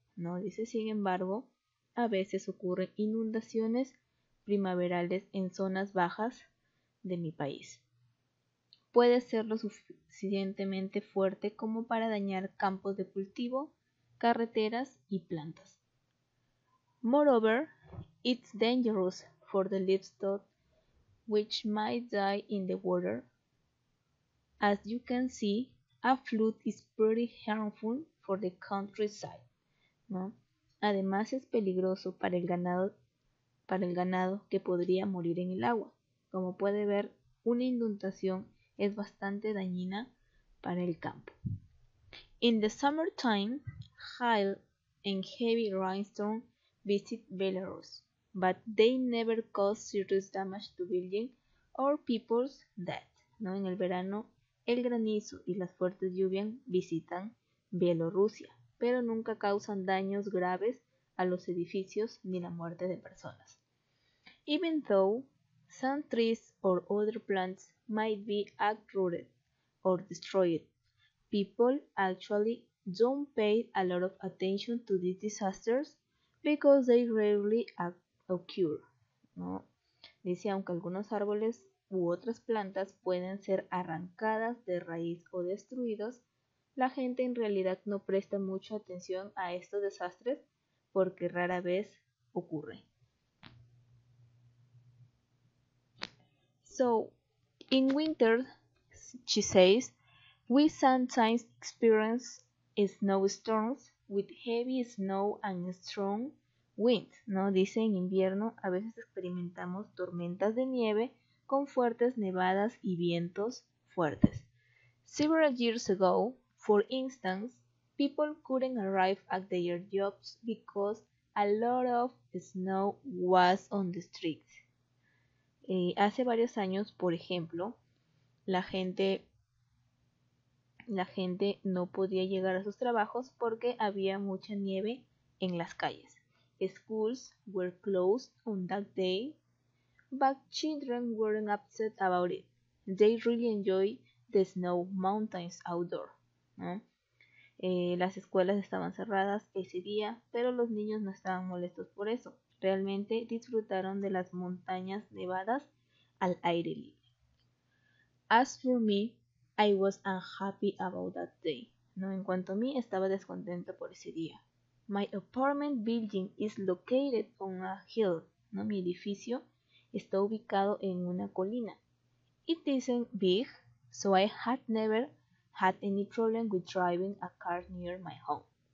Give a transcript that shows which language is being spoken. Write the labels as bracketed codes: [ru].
[es] No dice, sin embargo, a veces ocurren inundaciones primaverales en zonas bajas de mi país. Puede ser lo suficientemente fuerte como para dañar campos de cultivo, carreteras y plantas. [en] Moreover, it's dangerous for the livestock, which might die in the water. As you can see, a flood is pretty harmful for the countryside. [es] ¿No? Además es peligroso para el ganado que podría morir en el agua. Como puede ver, una inundación es bastante dañina para el campo. [en] In the summertime, hail and heavy rainstorms visit Belarus, but they never cause serious damage to buildings or people's death. [es] ¿No? En el verano, el granizo y las fuertes lluvias visitan Bielorrusia, pero nunca causan daños graves a los edificios ni la muerte de personas. [en] Even though some trees or other plants might be uprooted or destroyed, people actually don't pay a lot of attention to these disasters because they rarely occur. [es] ¿No? Dice, aunque algunos árboles u otras plantas pueden ser arrancadas de raíz o destruidos, la gente en realidad no presta mucha atención a estos desastres porque rara vez ocurre. [en] So, in winter, she says, we sometimes experience snowstorms with heavy snow and strong winds. [es] ¿No? Dice, en invierno a veces experimentamos tormentas de nieve con fuertes nevadas y vientos fuertes. [en] Several years ago, for instance, people couldn't arrive at their jobs because a lot of snow was on the streets. [es] Hace varios años, por ejemplo, la gente no podía llegar a sus trabajos porque había mucha nieve en las calles. [en] Schools were closed on that day, but children weren't upset about it. They really enjoyed the snow mountains outdoors. [es] Las escuelas estaban cerradas ese día, pero los niños no estaban molestos por eso. Realmente disfrutaron de las montañas nevadas al aire libre. [en] As for me, I was unhappy about that day. [es] ¿No? En cuanto a mí, estaba descontenta por ese día. [en] My apartment building is located on a hill. ¿No? [es] Mi edificio está ubicado en una colina. [en] It isn't big, so I had never had any problem with driving a car near my home.